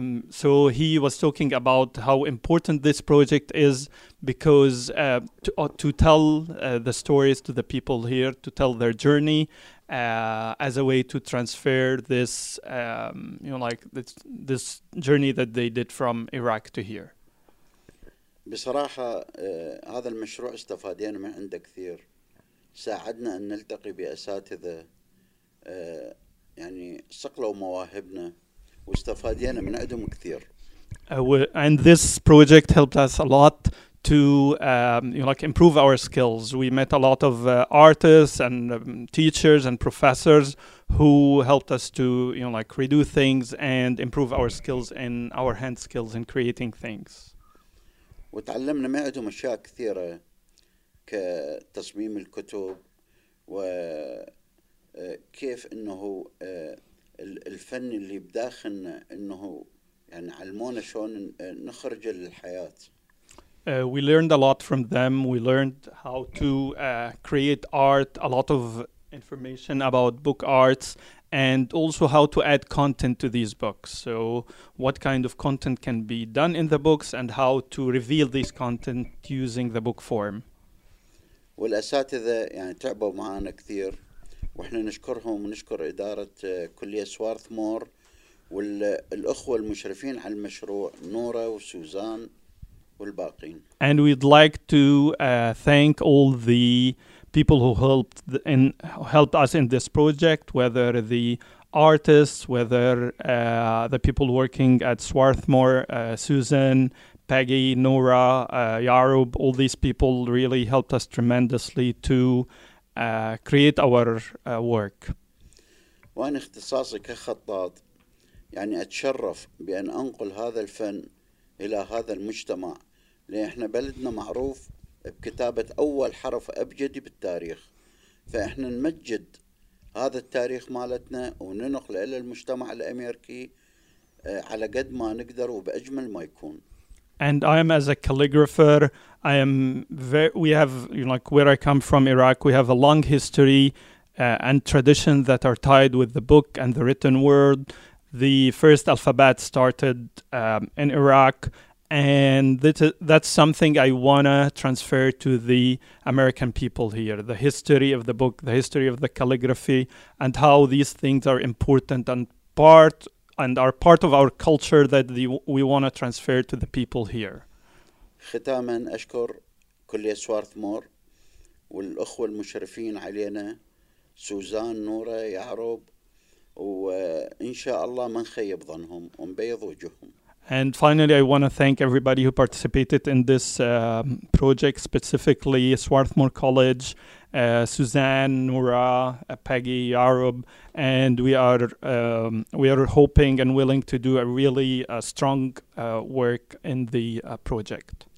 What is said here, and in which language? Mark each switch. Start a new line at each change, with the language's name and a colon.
English: So he was talking about how important this project is, because to tell the stories to the people here, to tell their journey as a way to transfer this, you know, like this journey that they did from Iraq to here.
Arabic: بصراحة هذا المشروع استفادينا من عنده كثير. ساعدنا أن نلتقي بأساتذة يعني صقلوا مواهبنا واستفادينا من عندهم كثير.
English: And this project helped us a lot to you know, like improve our skills. We met a lot of artists and teachers and professors who helped us to, you know, like redo things and improve our skills and our hand skills in creating things.
Arabic: وتعلمنا من عندهم أشياء كثيرة كتصميم الكتب وكيف إنه الفن اللي بداخلنا إنه يعني علمونا شلون نخرج للحياة.
English: We learned a lot from them. We learned how to create art, a lot of information about book arts, and also how to add content to these books. So what kind of content can be done in the books and how to reveal this content using the book form.
Arabic: والأساتذة يعني تعبوا معانا كثير, واحنا نشكرهم ونشكر إدارة كلية سوارثمور والأخوة المشرفين على المشروع نورا وسوزان والباقين.
English: And we'd like to thank all the people who helped in helped us in this project, whether the artists, whether the people working at Swarthmore, Susan, Peggy, Nora, Yarub, all these people really helped us tremendously to create our work.
Arabic: وأنا اختصاصي كخطاط يعني أتشرف بأن أنقل هذا الفن إلى هذا المجتمع, لأن بلدنا معروف بكتابة أول حرف أبجدي بالتاريخ, فإحنا نمجد هذا التاريخ مالتنا وننقل إلى المجتمع الأمريكي على قد ما نقدر وبأجمل ما يكون.
English: And I am as a calligrapher. I am we have, you know, like where I come from, Iraq, we have a long history and tradition that are tied with the book and the written word. The first alphabet started in Iraq. And that's something I want to transfer to the American people here. The history of the book, the history of the calligraphy, and how these things are important and part of our culture that we want to transfer to the people here.
Arabic: ختاما أشكر كلية سوارثمور والأخوة المشرفين علينا سوزان نورة يعروب وإن شاء الله ما نخيب ظنهم ونبيض وجههم.
English: And finally, I want to thank everybody who participated in this project, specifically Swarthmore College, Suzanne, Noura, Peggy, Arab, and we are hoping and willing to do a really strong work in the project.